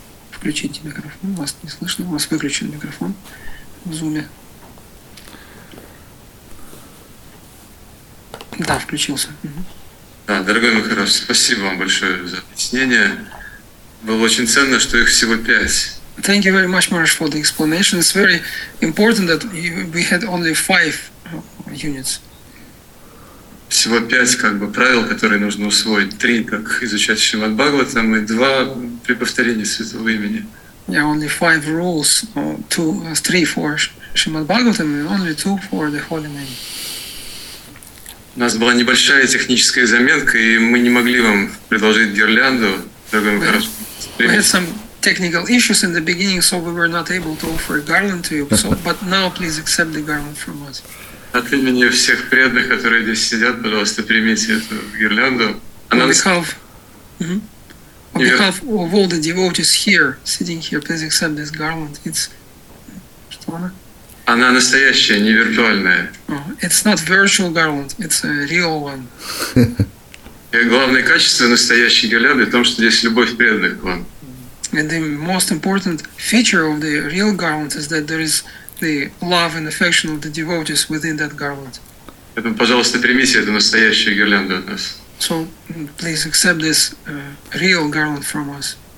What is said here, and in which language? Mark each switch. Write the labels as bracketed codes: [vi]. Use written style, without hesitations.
[ru] Включите микрофон. Вас не слышно. У вас выключен микрофон в зуме. Да, включился. Да, дорогой Махарадж, спасибо вам большое за объяснение. Было очень ценно, что их всего 5. [en] Thank you very much, Maharaj, for the explanation. It's very important that we had only 5 units. [ru] Всего 5 как бы правил, которые нужно усвоить. 3 как изучать Шримад Бхагаватам и 2 при повторении святого имени. [en] Yeah, only 5 rules, 3 for Шримад Бхагаватам and only 2 for the holy name. [ru] У нас была небольшая техническая заменка, и мы не могли вам предложить гирлянду, дорогой Махарадж. [en] We had some technical issues in the beginning, so we were not able to offer a garland to you. So, but now please accept the garland from us. [ru] От имени всех преданных, которые здесь сидят, пожалуйста, примите эту гирлянду. Она... [en] On behalf of all the devotees here, sitting here, please accept this garland. It's... [ru] Она настоящая, не виртуальная. [en] It's not virtual garland, it's a real one. [ru] И главное качество настоящей гирлянды в том, что здесь любовь преданных к вам. [en] And the most important feature of the real garland is that there is the love and affection of the devotees within that garland. [ru] Поэтому, пожалуйста, примите эту настоящую гирлянду от нас. [en] So, please accept this real garland from us.